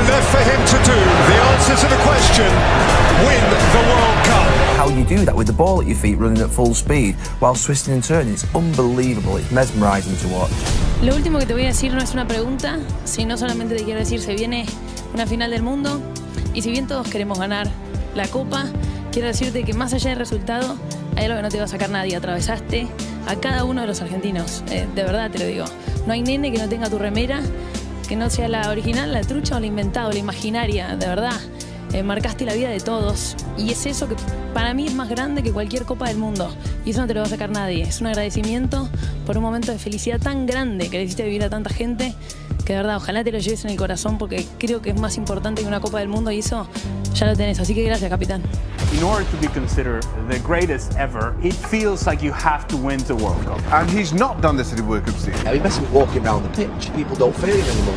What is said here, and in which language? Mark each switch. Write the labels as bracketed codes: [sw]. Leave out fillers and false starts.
[en] For him to do the answer to the question, win the World Cup. How you do that with the ball at your feet running at full speed while twisting and turning, it's unbelievable. It's mesmerizing to watch. [es] Lo último que te voy a decir no es una pregunta, sino solamente te quiero decir, se viene una final del mundo, y si bien todos queremos ganar la copa, quiero decirte que más allá del resultado, hay algo que no te va a sacar nadie. Atravesaste a cada uno de los argentinos, de verdad te lo digo. No hay nene que no tenga tu remera, que no sea la original, la trucha o la inventada, la imaginaria, de verdad. Marcaste la vida de todos. Y es eso que para mí es más grande que cualquier copa del mundo. Y eso no te lo va a sacar nadie. Es un agradecimiento por un momento de felicidad tan grande que le hiciste vivir a tanta gente, que de verdad, ojalá te lo lleves en el corazón, porque creo que es más importante que una copa del mundo, y eso ya lo tenés. Así que gracias, capitán. [en] In order to be considered the greatest ever, it feels like you have to win the World Cup. And he's not done this in the World Cup season. I mean, Messi walking around the pitch, people don't fear him anymore.